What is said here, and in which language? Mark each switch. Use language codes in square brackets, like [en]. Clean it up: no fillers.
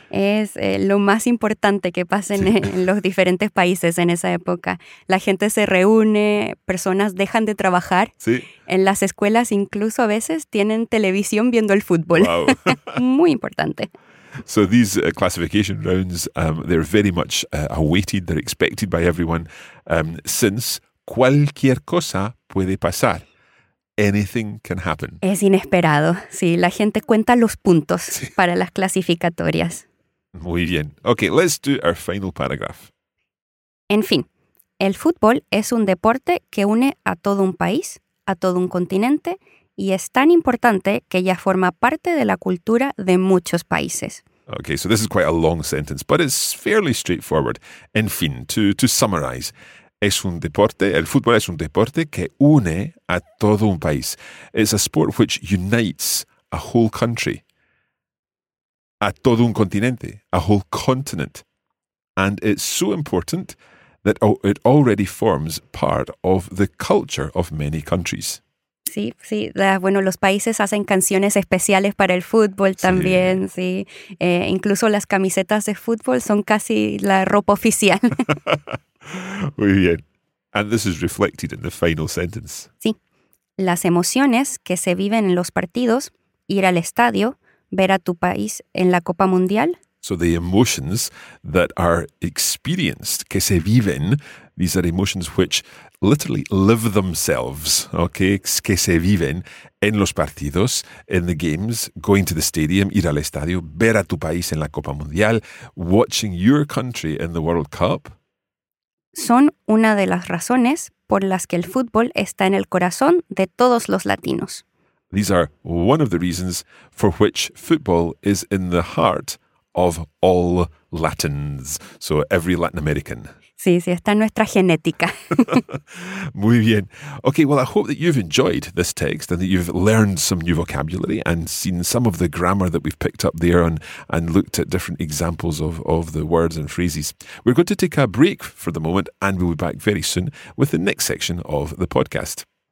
[es] Es lo más importante que pasen sí. en los diferentes países en esa época. La gente se reúne, personas dejan de trabajar, sí. en las escuelas incluso a veces tienen televisión viendo el fútbol. Wow. Muy importante. [en] So these classification rounds, they're very much awaited, they're expected by everyone, since [es] cualquier cosa puede pasar. [en] Anything can happen. [es] Es inesperado. Sí, la gente cuenta los puntos sí. para las clasificatorias. Muy bien. [en] Okay, let's do our final paragraph. [es] En fin, el fútbol es un deporte que une a todo un país, a todo un continente, y es tan importante que ya forma parte de la cultura de muchos países. [en] Okay, so this is quite a long sentence, but it's fairly straightforward. [es] En fin, [en] to summarize, [es] es un deporte, el fútbol es un deporte que une a todo un país. [en] It's a sport which unites a whole country, [es] a todo un continente, [en] a whole continent. And it's so important that it already forms part of the culture of many countries. [es] Sí, sí. Bueno, los países hacen canciones especiales para el fútbol también, sí. sí. Incluso las camisetas de fútbol son casi la ropa oficial. Muy bien. [en] And this is reflected in the final sentence. [es] Sí. Las emociones que se viven en los partidos, ir al estadio, ver a tu país en la Copa Mundial. [en] So the emotions that are experienced, [es] que se viven, [en] these are emotions which literally live themselves, okay? [es] Que se viven en los partidos, [en] in the games, going to the stadium, [es] ir al estadio, ver a tu país en la Copa Mundial, [en] watching your country in the World Cup. [es] Son una de las razones por las que el fútbol está en el corazón de todos los latinos. [en] These are one of the reasons for which football is in the heart of all Latins, so every Latin American. [es] Sí, sí, está en nuestra genética. Muy bien. [en] Okay, well, I hope that you've enjoyed this text and that you've learned some new vocabulary and seen some of the grammar that we've picked up there and looked at different examples of the words and phrases. We're going to take a break for the moment and we'll be back very soon with the next section of the podcast.